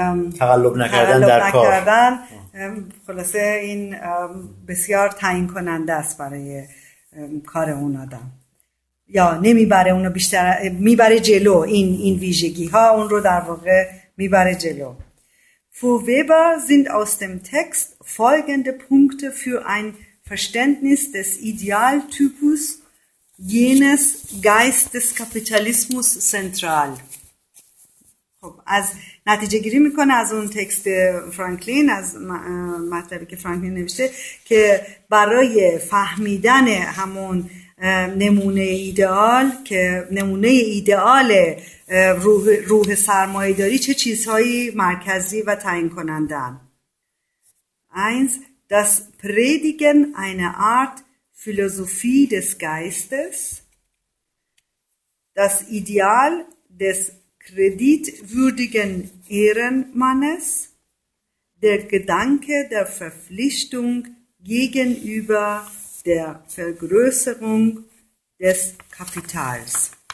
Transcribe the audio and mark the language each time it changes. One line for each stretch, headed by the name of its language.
Persian: تقلب نکردن در کار، خلاصه این بسیار تعیین کننده است برای کار اون آدم، یا نمیبره اونو بیشتر، میبره جلو. این ویژگی ها اون رو در واقع میبره جلو.
German: Für Weber sind aus dem Text folgende Punkte für ein Verständnis des Idealtypus jenes Geist des Kapitalismus zentral.
Persian: خب از نتیجه گیری میکنه از اون تکست فرانکلین، از مطلبی که فرانکلین نوشته، که برای فهمیدن همون نمونه ایدئال، که نمونه ایدئال روح سرمایه‌داری چه چیزهایی مرکزی و تعیین کننده اند.
German: Eins, das Predigen eine Art Philosophie des Geistes. Das Ideal des kreditwürdigen Ehrenmannes, der Gedanke der Verpflichtung gegenüber der Vergrößerung des Kapitals.